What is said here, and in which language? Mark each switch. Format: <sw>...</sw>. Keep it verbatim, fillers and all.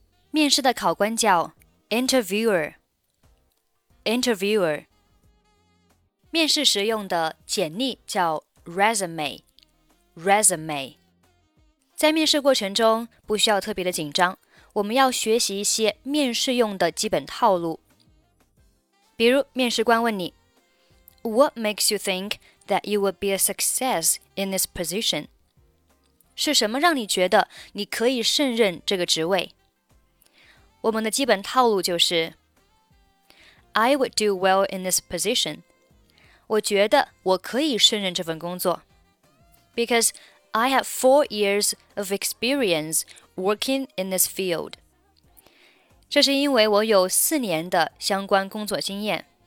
<zh>面试的考官叫 interviewer. Interviewer. 面试时用的简历叫 resume, resume。在面试过程中不需要特别的紧张，我们要学习一些面试用的基本套路。比如面试官问你</zh> <en>What makes you think that you will be a success in this position?</en> <zh>是什么让你觉得你可以胜任这个职位？我们的基本套路就是</zh> <en>I would do well in this position.</en> <zh>我觉得我可以胜任这份工作</zh> <en>because I have four years of experience working in this field.</en> <zh>这是因为我有四年的相关工作经验。</zh>